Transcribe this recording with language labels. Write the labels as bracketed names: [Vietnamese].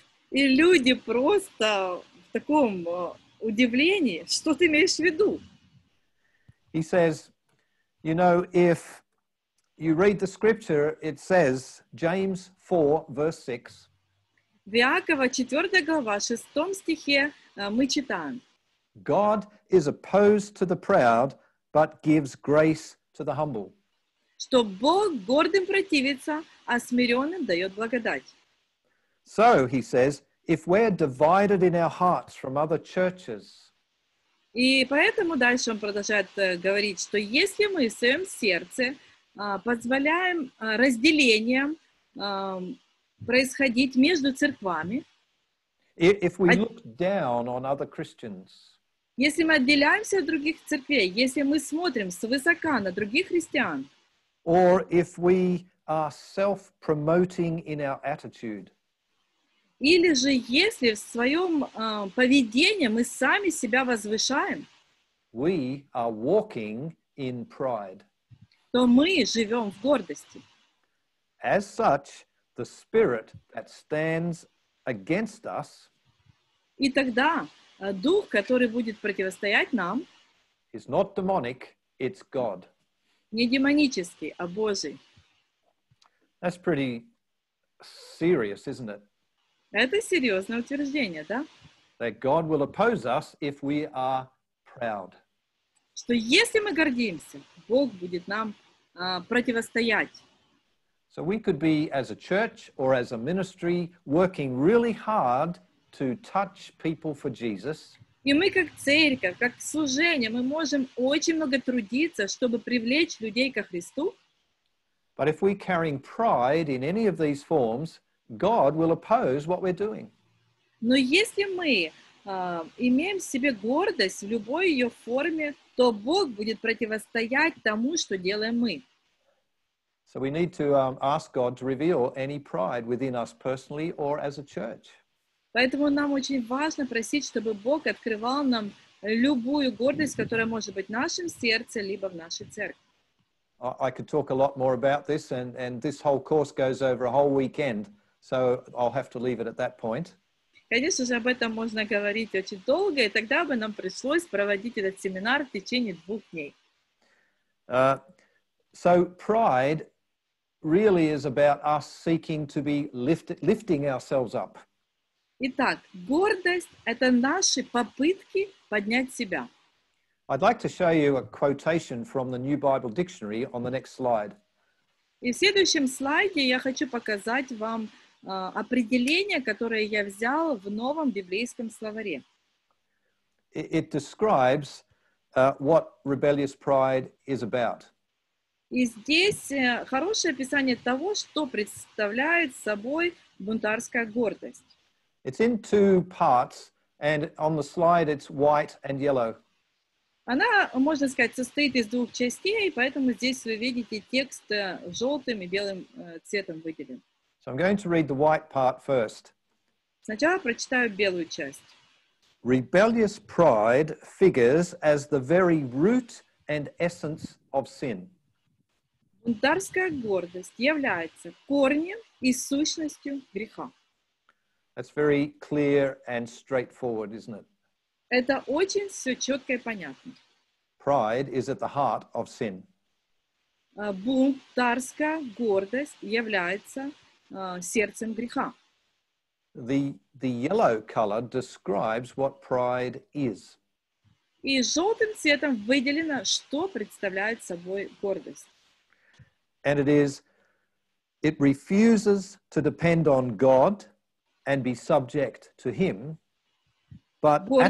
[Russian] И люди просто в таком удивлении: "Что ты имеешь в виду?" [English] He says, "You know, if you read the scripture, it says, James 4, verse 6. [Russian] В Иакова 4 глава, 6 стихе мы читаем. [English] God is opposed to the proud, but gives grace to the humble. [Russian] что Бог гордым противится, а смиренным дает благодать. [English] So, he says, if we're divided in our hearts from other churches. [Russian] И поэтому дальше он продолжает говорить, что если мы в своем сердце позволяем разделениям происходить между церквами, [English] if we look down on other Christians, [Russian] если мы отделяемся от других церквей, если мы смотрим свысока на других христиан, [English] or if we are self-promoting in our attitude, [Russian] или же если в своем поведении мы сами себя возвышаем, [English] we are walking in pride, [Russian] то мы живем в гордости. [English] As such, the spirit that stands against us, [Russian] и тогда дух, который будет противостоять нам, [English] is not demonic, it's God. [Russian] Не демонический, а Божий. [English] That's pretty serious, isn't it? [Russian] Это серьезное утверждение, да? [English] That God will oppose us if we are proud. [Russian] Что если мы гордимся, Бог будет нам противостоять. [English] So we could be as a church or as a ministry working really hard to touch people for Jesus. [Russian] И мы как церковь, как служение, мы можем очень много трудиться, чтобы привлечь людей ко Христу. [English] But if we're carrying pride in any of these forms, God will oppose what we're doing. [Russian] Но если мы имеем в себе гордость в любой ее форме, то Бог будет противостоять тому, что делаем мы. [English] So we need to ask God to reveal any pride within us personally or as a church. [Russian] Поэтому нам очень важно просить, чтобы Бог открывал нам любую гордость, которая может быть в нашем сердце либо в нашей церкви. [English] I could talk a lot more about this, and this whole course goes over a whole weekend. So I'll have to leave it at that point. [Russian] Конечно же, об этом можно говорить очень долго, и тогда бы нам пришлось проводить этот семинар в течение двух дней. [English] So pride really is about us seeking to be lifting ourselves up. [Russian] Итак, гордость — это наши попытки поднять себя. [English] I'd like to show you a quotation from the New Bible Dictionary on the next slide. [Russian] И в следующем слайде я хочу показать вам определение, которое я взял в новом библейском словаре. [English] It describes what rebellious pride is about. [Russian] И здесь хорошее описание того, что представляет собой бунтарская гордость. [English] It's in two parts, and on the slide it's white and yellow. [Russian] Она, можно сказать, состоит из двух частей, поэтому здесь вы видите текст желтым и белым цветом выделен. [English] So I'm going to read the white part first. [Russian] Сначала прочитаю белую часть. [English] Rebellious pride figures as the very root and essence of sin. [Russian] Бунтарская гордость является корнем и сущностью греха. [English] That's very clear and straightforward, isn't it? [Russian] Это очень все четко и понятно. [English] Pride is at the heart of sin. [Russian] Бунтарская гордость является сердцем греха. [English] The yellow color describes what pride is. [Russian] И желтым цветом выделено, что представляет собой гордость. [English] And it refuses to depend on God and be subject to Him, but